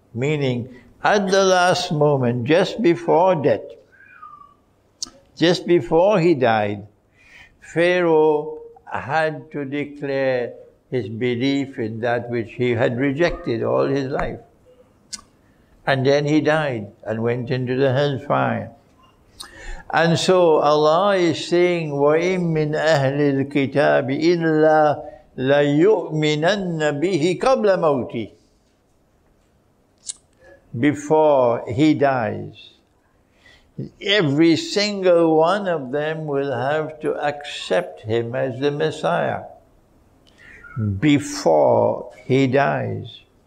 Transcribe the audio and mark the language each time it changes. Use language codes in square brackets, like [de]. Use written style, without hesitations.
[en] Meaning, at the last moment, just before death, just before he died, Pharaoh had to declare his belief in that which he had rejected all his life. And then he died and went into the hellfire. And so Allah is saying, [ar] وَإِن مِّنْ أَهْلِ الْكِتَابِ إِلَّا لَيُؤْمِنَنَّ بِهِ قَبْلَ مَوْتِهِ. [en] Before he dies, every single one of them will have to accept him as the Messiah before he dies.